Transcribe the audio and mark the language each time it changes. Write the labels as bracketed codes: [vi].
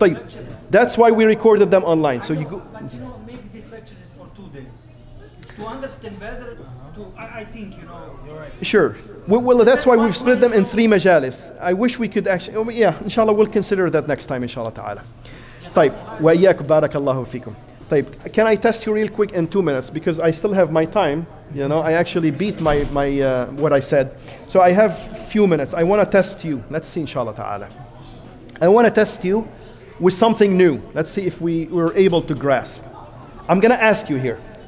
[en] lecture. That's why we recorded them online. So you go. But you know, maybe this lecture is for 2 days. To understand better, I think, you know, you're right. Sure. Well, that's why we've split them in three majalis. I wish we could actually, yeah, inshallah, we'll consider that next time, inshallah ta'ala. [ar] طيب, وإياك بارك الله فيكم. [en] طيب, can I test you real quick in 2 minutes? Because I still have my time. You know, I actually beat my what I said. So I have a few minutes. I want to test you. Let's see, inshallah ta'ala. I want to test you with something new. Let's see if we're able to grasp. I'm going to ask you here.